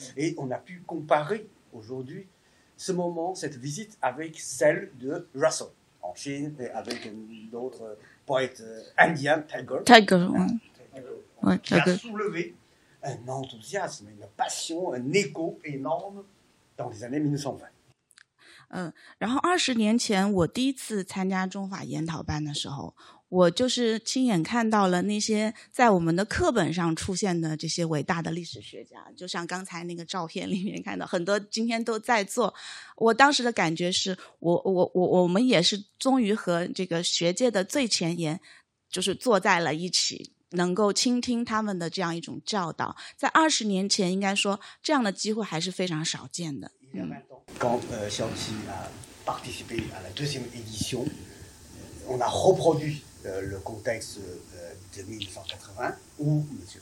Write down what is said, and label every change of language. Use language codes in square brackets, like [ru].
[fr] Et on a pu comparer aujourd'hui ce moment, cette visite, avec celle de Russell en Chine et avec d'autres... poète indien, Tagore, qui a soulevé un enthousiasme, une passion, un écho énorme dans les années 1920. [zh] 然后二十年前我第一次参加中法研讨班的时候，我就是亲眼看到了那些在我们的课本上出现的这些伟大的历史学家，就像刚才那个照片里面看到很多今天都在座。我当时的感觉是我们也是终于和这个学界的最前沿就是坐在了一起，能够倾听他们的这样一种教导。在二十年前应该说这样的机会还是非常少见的。 [fr] Quand Xiaoqi a participé à la deuxième édition, on a reproduit le contexte de 1980 où M.